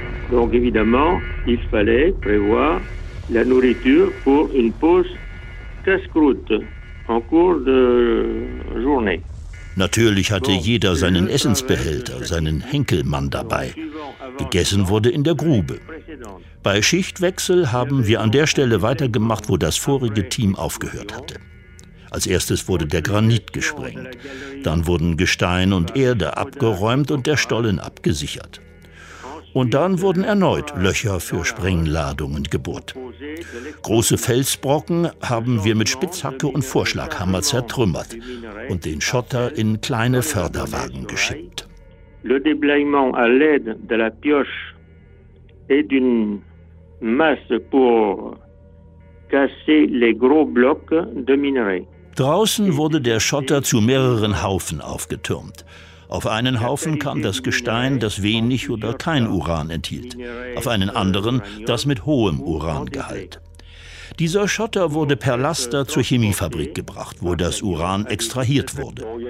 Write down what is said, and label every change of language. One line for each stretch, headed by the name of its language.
French: Donc évidemment, il fallait prévoir la nourriture pour une pause casse-croûte en cours de journée.
German: Natürlich hatte jeder seinen Essensbehälter, seinen Henkelmann dabei. Gegessen wurde in der Grube. Bei Schichtwechsel haben wir an der Stelle weitergemacht, wo das vorige Team aufgehört hatte. Als erstes wurde der Granit gesprengt. Dann wurden Gestein und Erde abgeräumt und der Stollen abgesichert. Und dann wurden erneut Löcher für Sprengladungen gebohrt. Große Felsbrocken haben wir mit Spitzhacke und Vorschlaghammer zertrümmert und den Schotter in kleine Förderwagen geschickt.
French: Le déblayement à l'aide de la pioche et d'une masse pour casser les gros blocs de minerai.
German: Draußen wurde der Schotter zu mehreren Haufen aufgetürmt. Auf einen Haufen kam das Gestein, das wenig oder kein Uran enthielt. Auf einen anderen das mit hohem Urangehalt. Dieser Schotter wurde per Laster zur Chemiefabrik gebracht, wo das Uran extrahiert wurde.